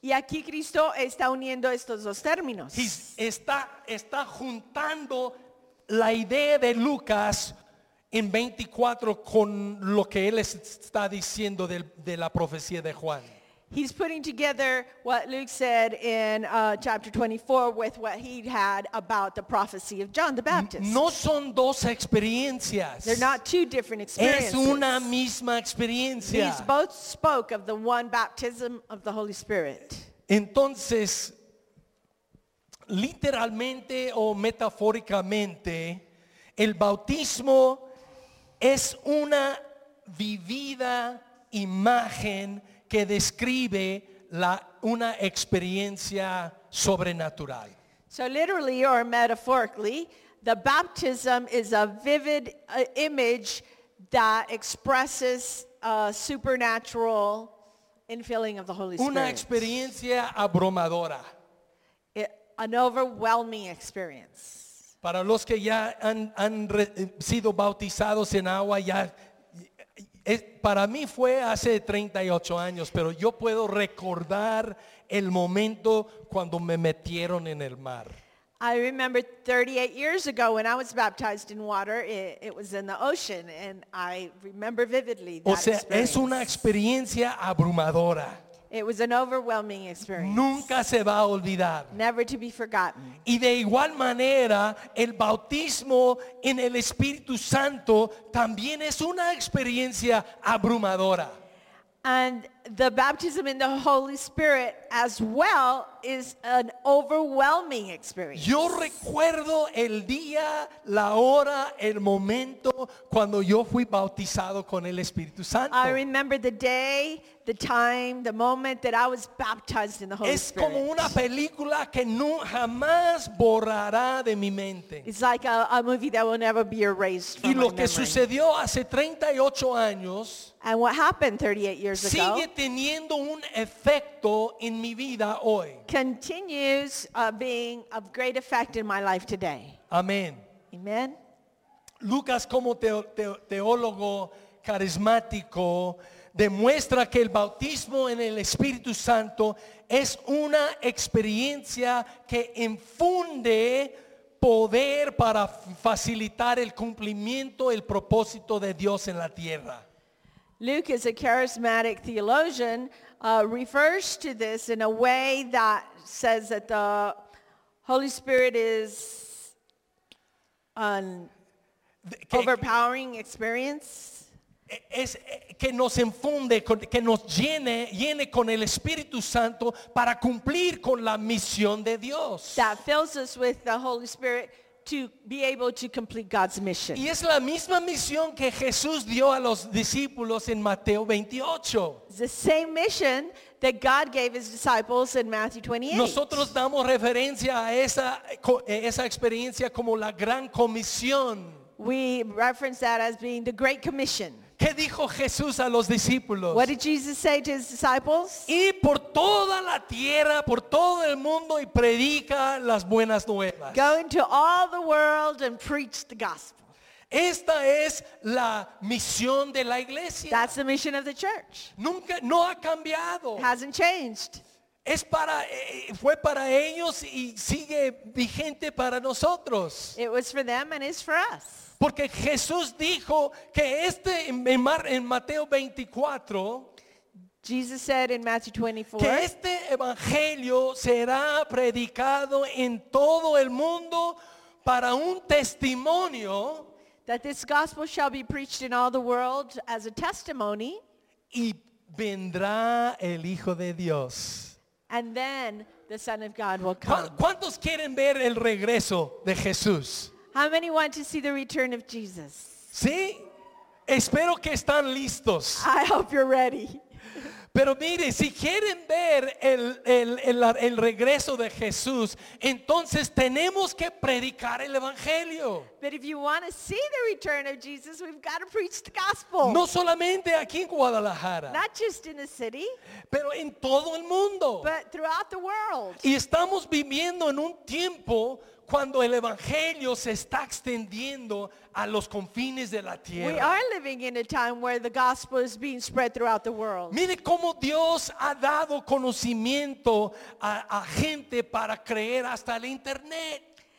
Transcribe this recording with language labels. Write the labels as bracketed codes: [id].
[es] Y aquí Cristo está uniendo estos dos términos. Está juntando la idea de Lucas en 24 con lo que él está diciendo de la profecía de Juan. [en] He's putting together what Luke said in chapter 24 with what he had about the prophecy of John the Baptist. [es] No son dos experiencias. [en] They're not two different experiences. [es] Es una misma experiencia. [en] These both spoke of the one baptism of the Holy Spirit. [es] Entonces, literalmente o metafóricamente, el bautismo es una vivida imagen que describe una experiencia sobrenatural. [en] So literally or metaphorically, the baptism is a vivid image that expresses a supernatural infilling of the Holy Spirit. [es] Una experiencia abrumadora. [en] An overwhelming experience. [es] Para los que ya han sido bautizados en agua, ya para mí fue hace 38 años, pero yo puedo recordar el momento cuando me metieron en el mar. [en] I remember 38 years ago when I was baptized in water, it was in the ocean, and I remember vividly that experience. [es] O sea, es una experiencia abrumadora. [en] It was an overwhelming experience. [es] Nunca se va a olvidar. [en] Never to be forgotten. [es] Y de igual manera, el bautismo en el Espíritu Santo también es una experiencia abrumadora. [en] And the baptism in the Holy Spirit as well is an overwhelming experience. [es] Yo recuerdo el día, la hora, el momento cuando yo fui bautizado con el Espíritu Santo. [en] I remember the day, the time, the moment that I was baptized in the Holy Spirit. [es] Es como una película que no jamás borrará de mi mente. [en] It's like a movie that will never be erased from [es] y lo [en] my [es] que Sucedió hace 38 años. [en] And what happened 38 years ago? [es] Sigue teniendo un efecto en mi vida hoy. [en] Continues being of great effect in my life today. [es] Amén. [en] Amen. [es] Lucas, como teólogo carismático, demuestra que el bautismo en el Espíritu Santo es una experiencia que infunde poder para facilitar el cumplimiento, el propósito de Dios en la tierra. [en] Luke, as a charismatic theologian, refers to this in a way that says that the Holy Spirit is an overpowering experience. [es] Es que nos infunde, que nos llene con el Espíritu Santo para cumplir con la misión de Dios. [en] That fills us with the Holy Spirit to be able to complete God's mission. [es] Y es la misma misión que Jesús dio a los discípulos en Mateo 28. [en] It's the same mission that God gave his disciples in Matthew 28. [es] Nosotros damos referencia a esa experiencia como la gran comisión. [en] We reference that as being the great commission. [es] ¿Qué dijo Jesús a los discípulos? [en] What did Jesus say to his disciples? [es] Y por toda la tierra, por todo el mundo y predica las buenas nuevas. [en] Go into all the world and preach the gospel. [es] Esta es la misión de la iglesia. [en] That's the mission of the church. [es] Nunca, no ha cambiado. [en] Hasn't changed. [es] Es para, fue para ellos y sigue vigente para nosotros. [en] It was for them and is for us. [es] Porque Jesús dijo que este en Mateo 24, [en] Jesus said in Matthew 24, [es] que este evangelio será predicado en todo el mundo para un testimonio, [en] that this gospel shall be preached in all the world as a testimony, [es] y vendrá el Hijo de Dios. [en] And then the Son of God will come. [es] ¿Cuántos quieren ver el regreso de Jesús? [en] How many want to see the return of Jesus? [es] Sí, espero que están listos. [en] I hope you're ready. [es] Pero mire, si quieren ver el regreso de Jesús, entonces tenemos que predicar el evangelio. [en] But if you want to see the return of Jesus, we've got to preach the gospel. [es] No solamente aquí en Guadalajara. [en] Not just in the city. [es] Pero en todo el mundo. [en] But throughout the world. [es] Y estamos viviendo en un tiempo cuando el evangelio se está extendiendo a los confines de la tierra. [en] We are living in a time where the gospel is being spread throughout the world. [es] Mire cómo Dios ha dado conocimiento a gente para creer hasta el internet.